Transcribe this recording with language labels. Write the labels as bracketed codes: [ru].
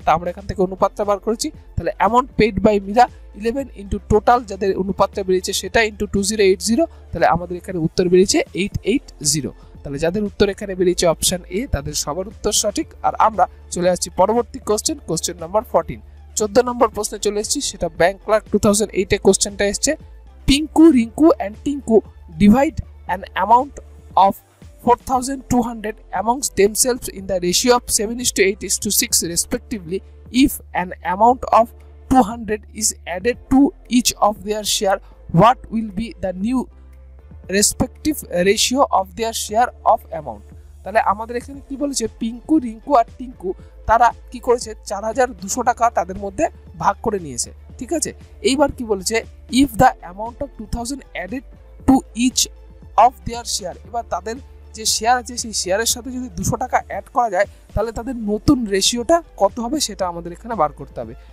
[bn] তা আমরা এখান থেকে অনুপাতটা বার করেছি, তাহলে [en] amount paid by Meera [bn] 11 × total, যাদের অনুপাতটা বেরিয়েছে সেটা × 2080, তাহলে আমাদের এখানে উত্তর বেরিয়েছে 880। তাহলে যাদের উত্তর এখানে বেরিয়েছে অপশান এ, তাদের সবার উত্তর সঠিক। আর আমরা চলে আসছি পরবর্তী কোশ্চেন, কোশ্চেন নম্বর 14। 14 নম্বর প্রশ্নে চলে এসেছি, সেটা ব্যাংক ক্লার্ক 2008 এর কোশ্চেনটা এসছে। [en] Tinku, Rinku and Tinku divide an amount of 4200 amongst themselves in the ratio of 7:8:6 respectively if an amount of 200 is added to each of their share, what will be the new respective ratio of their share of amount। [bn] তাহলে আমাদের এখানে কি বলেছে, পিঙ্কু, রিঙ্কু আর টিঙ্কু তারা কি করেছে, 4200 টাকা তাদের মধ্যে ভাগ করে নিয়েছে, ঠিক আছে। এইবার কি বলেছে, [en] if the amount of 2000 added to each of their share, [bn] এবার তাদের যে শেয়ার আছে সেই শেয়ারের সাথে যদি 200 টাকা অ্যাড করা যায় তাহলে তাদের নতুন রেশিওটা কত হবে সেটা আমাদের এখানে বার করতে হবে।